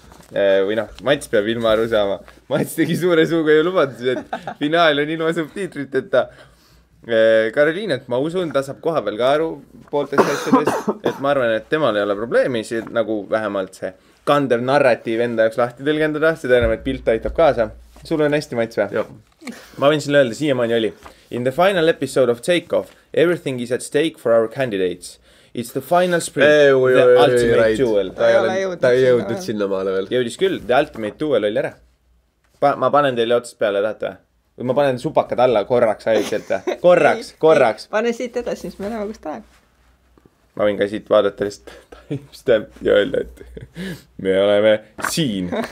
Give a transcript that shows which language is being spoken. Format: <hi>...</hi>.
<et>Või noh, Mats peab ilma aru saama. Mats tegi suure suuga ju lubadus, et finaal on ilma subtiitrit, et ta... Karoliinat, ma usun, ta saab koha peal ka aru pooltest asjadest, et ma arvan, et temal ei ole probleemi, siit nagu vähemalt see kandev narratiiv enda jaoks lahti tõlgendada, seda enam, et pilt aitab kaasa. Sul on hästi, Mats, või? Ma võin sinna öelda, siia maani oli.</et> <en>In the final episode of Takeoff, everything is at stake for our candidates. It's the final sprint, the ultimate duel.</en> <et>Ta ei jõudnud sinna maale veel. Jõudis küll,</et> <en>the ultimate duel</en> <et>oli ära. Ma panen teile otsast peale, tahate või? Või ma panen supakad alla korraks ajutselt. Korraks. Pane siit edasi, siis me näeme, kus ta aeg. Ma võin ka siit vaadata lihtsalt ja öelda, et me oleme siin.</et>